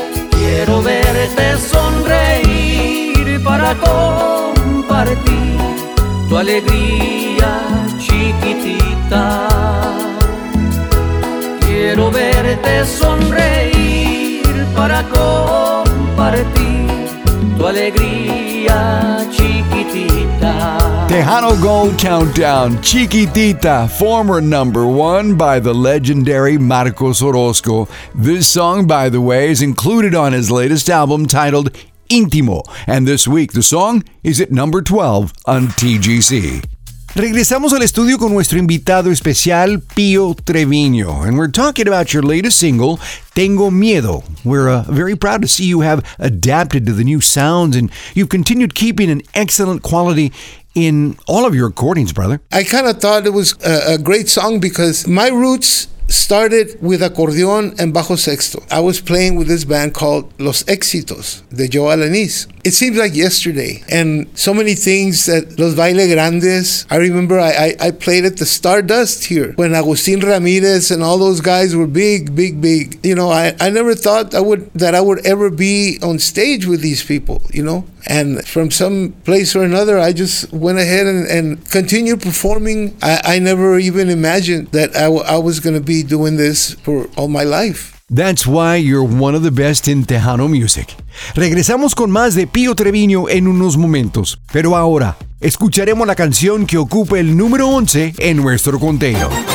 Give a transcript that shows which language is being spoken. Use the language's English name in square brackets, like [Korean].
[Spanish] Quiero verte sonreír para compartir tu alegría, chiquitita. Quiero verte sonreír para compartir tu alegría, chiquitita. [English] Tejano Gold Countdown, Chiquitita, former number one by the legendary Marcos Orozco. This song, by the way, is included on his latest album titled Íntimo. And this week, the song is at number 12 on TGC. [Spanish] Regresamos al estudio con nuestro invitado especial, Pío Treviño. [English] And we're talking about your latest single, Tengo Miedo. We're very proud to see you have adapted to the new sounds and you've continued keeping an excellent quality in all of your recordings, brother. I kind of thought it was a great song because my roots started with acordeón and bajo sexto. I was playing with this band called Los Éxitos, de Joe Alanis. It seems like yesterday, and so many things that Los Baile Grandes, I remember I played at the Stardust here when Agustin Ramirez and all those guys were big, big, big. You know, I never thought I would ever be on stage with these people, you know? And from some place or another, I just went ahead and continued performing. I never even imagined that I was going to be doing this for all my life. That's why you're one of the best in Tejano music. [Spanish] Regresamos con más de Pío Treviño en unos momentos. Pero ahora, escucharemos la canción que ocupa el número 11 en nuestro conteo.